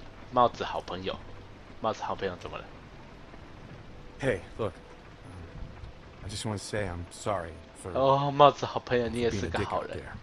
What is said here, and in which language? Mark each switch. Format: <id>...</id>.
<zh>帽子好朋友，帽子好朋友怎么了</zh> <en>？Hey, look. I just want to say I'm sorry for.</en> <zh>哦，帽子好朋友，你也是个好人。</zh>